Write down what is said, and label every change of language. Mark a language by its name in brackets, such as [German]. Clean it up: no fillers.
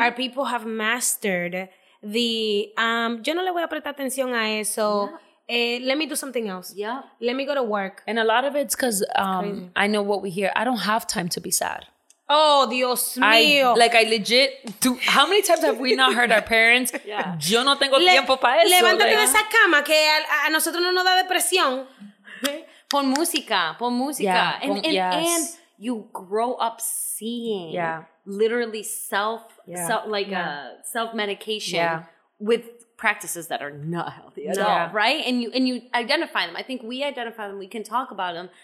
[English] Our people have mastered the, [Spanish] yo no le voy a prestar atención a eso. [English] Yeah. Let me do something else. Yeah. Let me go to work. And a lot of it's because I know what we hear. I don't have time to be sad. [Spanish] Oh, Dios mío. [English] How many times have we not heard our parents? Yeah. [Spanish] Yo no tengo tiempo para eso. Levántate de esa cama que a nosotros no nos da depresión. Pon música. Pon música. [English] Yeah. And you grow up seeing literally self-medication with practices that are not healthy at all, right? And you identify them. I think we identify them. We can talk about them.